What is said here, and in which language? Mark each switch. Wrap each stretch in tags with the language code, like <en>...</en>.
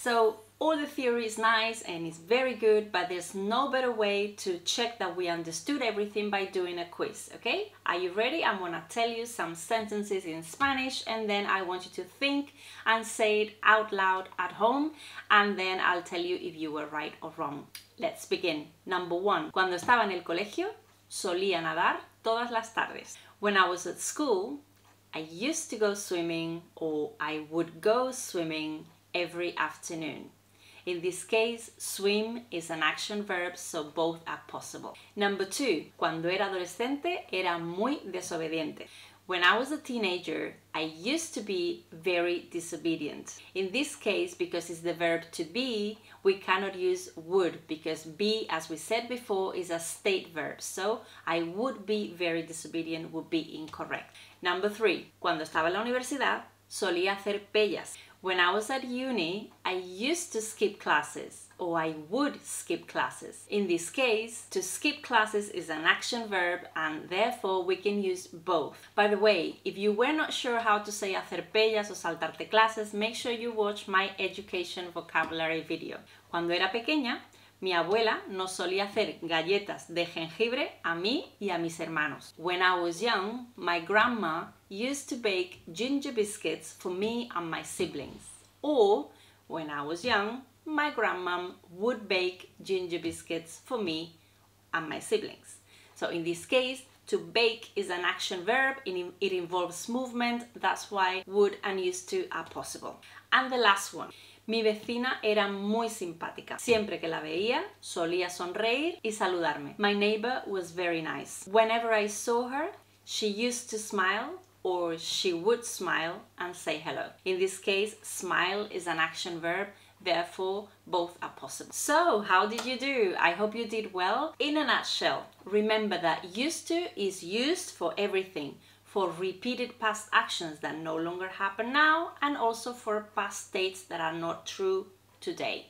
<en>So all the theory is nice and it's very good, but there's no better way to check that we understood everything by doing a quiz, okay? Are you ready? I'm gonna tell you some sentences in Spanish and then I want you to think and say it out loud at home and then I'll tell you if you were right or wrong. Let's begin. Number one.</en> <es>Cuando estaba en el colegio, solía nadar todas las tardes.</es> <en>When I was at school, I used to go swimming or I would go swimming every afternoon. In this case, swim is an action verb, so both are possible. Number two,</en> <es>cuando era adolescente, era muy desobediente.</es> <en>When I was a teenager, I used to be very disobedient. In this case, because it's the verb to be, we cannot use would, because be, as we said before, is a state verb. So, I would be very disobedient would be incorrect. Number three,</en> <es>cuando estaba en la universidad, solía hacer pellas.</es> <en>When I was at uni, I used to skip classes, or I would skip classes. In this case, to skip classes is an action verb, and therefore we can use both. By the way, if you were not sure how to say</en> <es>hacer pellas</es> <en>or</en> <es>saltarte clases,</es> <en>make sure you watch my education vocabulary video.</en> <es>Cuando era pequeña, mi abuela nos solía hacer galletas de jengibre a mí y a mis hermanos.</es> <en>When I was young, my grandma used to bake ginger biscuits for me and my siblings. Or, when I was young, my grandmom would bake ginger biscuits for me and my siblings. So in this case, to bake is an action verb, it involves movement, that's why would and used to are possible. And the last one.</en> <es>Mi vecina era muy simpática. Siempre que la veía, solía sonreír y saludarme.</es> <en>My neighbor was very nice. Whenever I saw her, she used to smile or she would smile and say hello. In this case, smile is an action verb. therefore both are possible. So, how did you do? I hope you did well. In a nutshell, remember that used to is used for everything, for repeated past actions that no longer happen now, and also for past states that are not true today.</en>